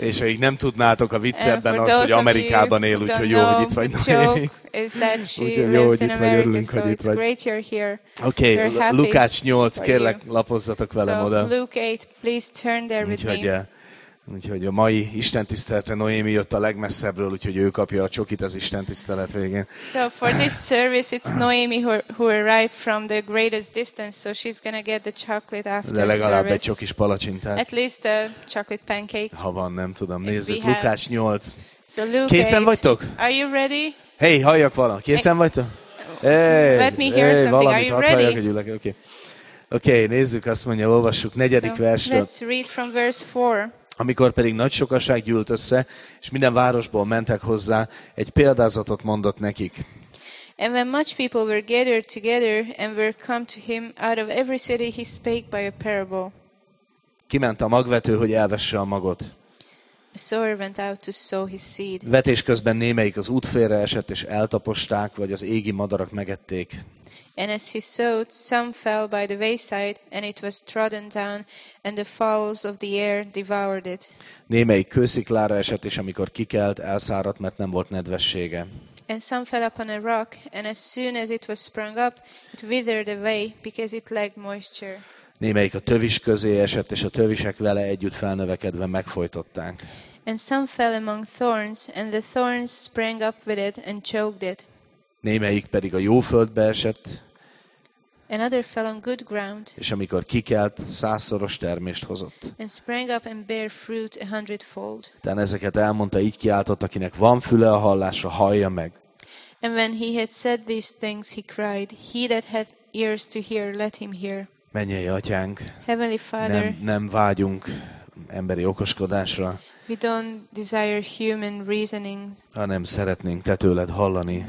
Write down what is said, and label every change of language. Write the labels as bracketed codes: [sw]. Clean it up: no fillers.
[hu] És ha így nem tudnátok a viccben az, hogy Amerikában él, úgyhogy jó, hogy itt vagy, Noémi. Úgyhogy jó, hogy itt vagy, örülünk, hogy itt vagy. Oké, Lukács 8, kérlek, lapozzatok velem oda. [en] Luke 8, please turn there with me. [hu] Úgyhogy a mai istentiszteletre Noémi jött a legmesszebbről, úgyhogy ő kapja a csokit az istentisztelet végén. [en] So for this service it's Noémi who arrived from the greatest distance, so she's gonna get the chocolate after service. [hu] De legalább egy csokis palacsintát. [en] At least a chocolate pancake. [hu] Ha van, nem tudom. Nézzük, Lukács 8. [en] So Luke [hu] készen 8. Vagytok? [en] Are you ready? [hu] Hey, halljak valamit. Készen vagytok? Hey, [en] let me hear something. [hu] Valamit, [en] are you ready? [hu] Oké, okay. Okay, nézzük, azt mondja, olvassuk negyedik [en] so, [hu] verstől. [en] Let's read from verse 4. [hu] Amikor pedig nagy sokaság gyűlt össze, és minden városból mentek hozzá, egy példázatot mondott nekik. [en] And when much people were gathered together and were come to him out of every city, he spake by a parable. [hu] Kiment a magvető, hogy elvesse a magot. [en] A sower went out to sow his seed. [hu] Vetés közben némelyik az útfélre esett, és eltaposták, vagy az égi madarak megették. [en] And as he sowed, some fell by the wayside, and it was trodden down, and the fowls of the air devoured it. [hu] Némelyik kősziklára esett, és amikor kikelt, elszáradt, mert nem volt nedvessége. [en] And some fell upon a rock, and as soon as it was sprung up, it withered away, because it lacked moisture. [hu] Némelyik a tövis közé esett, és a tövisek vele együtt felnövekedve megfojtották. [en] And some fell among thorns, and the thorns sprang up with it and choked it. [hu] Némelyik pedig a jó földbe esett. [en] Another fell on good ground. [hu] És amikor kikelt, százszoros termést hozott. [en] And sprang up and bare fruit a hundredfold. [hu] Tehát ezeket elmondta, így kiáltott, akinek van füle a hallásra, hallja meg. [en] And when he had said these things, he cried, he that hath ears to hear, let him hear. [hu] Mennyei atyánk, [en] Heavenly Father, [hu] nem vágyunk emberi okoskodásra. [en] We don't desire human reasoning. [hu] Hanem szeretnénk te tőled hallani.